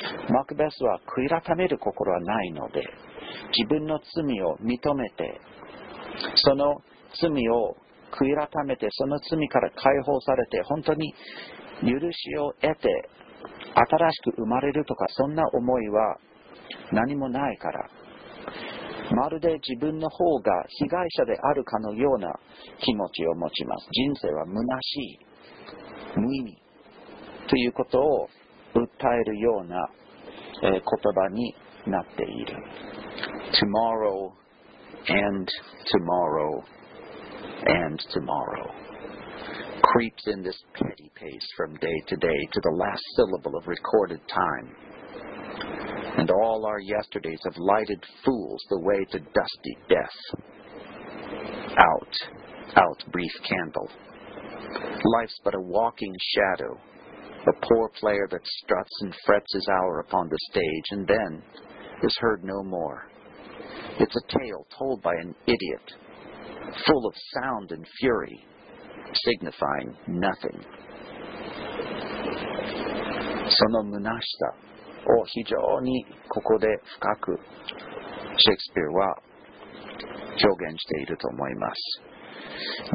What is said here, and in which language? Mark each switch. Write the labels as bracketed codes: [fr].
[ja] マクベスは悔い改める心はないので、自分の罪を認めて、その罪を悔い改めて、その罪から解放されて、本当に許しを得て新しく生まれるとか、そんな思いは何もないから、まるで自分の方が被害者であるかのような気持ちを持ちます。人生は虚しい、無意味ということを訴えるような、言葉になっている。 [en] Tomorrow and tomorrow and tomorrow creeps in this petty pace from day to day to the last syllable of recorded time and all our yesterdays have lighted fools the way to dusty death out, out brief candle life's but a walking shadowA poor player that struts and frets his hour upon the stage and then is heard no more. It's a tale told by an idiot, full of sound and fury, signifying nothing. [ja] その虚しさを非常にここで深くシェイクスピアは表現していると思います。